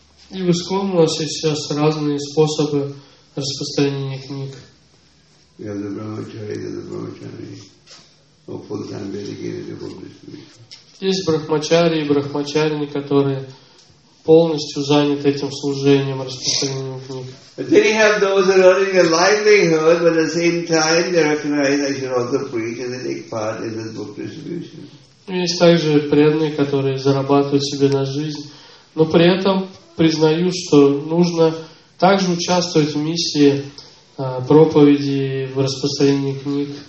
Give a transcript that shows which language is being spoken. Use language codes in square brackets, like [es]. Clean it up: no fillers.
[ru] И в ИСККОН у нас есть сейчас разные способы распространения книг. [en] We have the brahmacharis and the brahmacharis who are full-time dedicated to book distribution. [ru] Есть брахмачари и брахмачарини, которые полностью заняты этим служением, распространением книг. [en] But then you have those who are earning a livelihood, but at the same time they recognize I should also preach and they take part in this book distribution. [ru] Есть также преданные, которые зарабатывают себе на жизнь, но при этом признают, что нужно также участвовать в миссии проповеди в распространении книг.